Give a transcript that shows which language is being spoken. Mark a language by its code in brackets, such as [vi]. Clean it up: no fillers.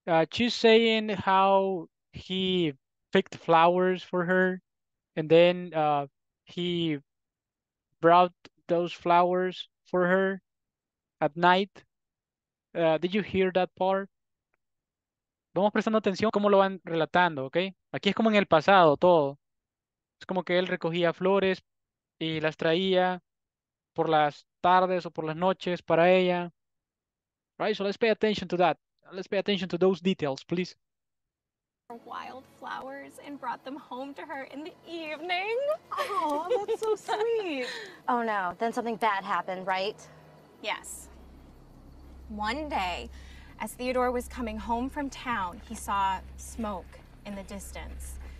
[en] She's saying how he picked flowers for her, and then he brought those flowers for her at night. Did you hear that part? [es] Vamos prestando atención cómo lo van relatando, ¿ok? Aquí es como en el pasado todo. Es como que él recogía flores y las traía por las tardes o por las noches para ella. [en] Right, so let's pay attention to that. Let's pay attention to those details, please. Wild flowers and brought them home to her in the evening. Oh, that's so sweet. Oh no, then something bad happened, right? Yes. One day, as Theodore was coming home from town, he saw smoke in the distance.